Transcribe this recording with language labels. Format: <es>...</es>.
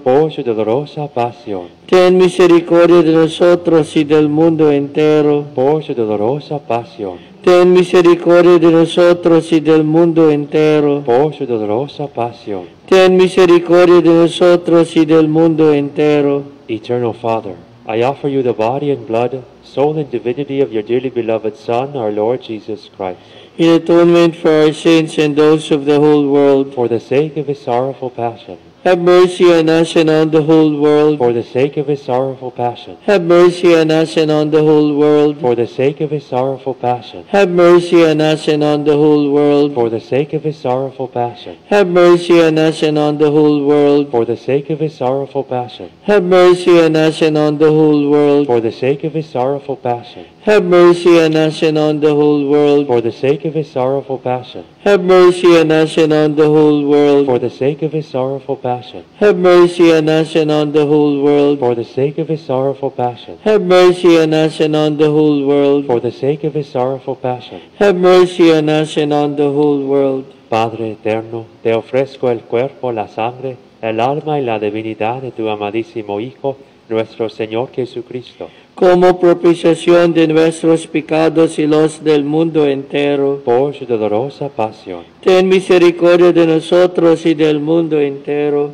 <es>Por su dolorosa pasión. Ten misericordia de nosotros y del mundo entero. Por su dolorosa pasión. Ten misericordia de nosotros y del mundo entero. Por su dolorosa pasión. Ten misericordia de nosotros y del mundo entero.</es> <en>Eternal Father, I offer you the body and blood, soul and divinity of your dearly beloved Son, our Lord Jesus Christ. In atonement for our sins and those of the whole world. For the sake of his sorrowful passion. Have mercy on us and on the whole world. For the sake of his sorrowful passion. Have mercy on us and on the whole world. For the sake of his sorrowful passion. Have mercy on us and on the whole world. For the sake of his sorrowful passion. Have mercy on us and on the whole world. For the sake of his sorrowful passion. Have mercy on us and on the whole world. For the sake of his sorrowful passion. Have mercy on us and on the whole world. For the sake of his sorrowful passion. Have mercy on us and on the whole world. For the sake of his sorrowful passion. Have mercy on us and on the whole world. For the sake of his sorrowful passion. Have mercy on us and on the whole world. For the sake of his sorrowful passion. Have mercy on us and on the whole world.</en> <es>Padre eterno, te ofrezco el cuerpo, la sangre, el alma y la divinidad de tu amadísimo Hijo, nuestro Señor Jesucristo. Como propiciación de nuestros pecados y los del mundo entero. Por su dolorosa pasión. Ten misericordia de nosotros y del mundo entero.</es>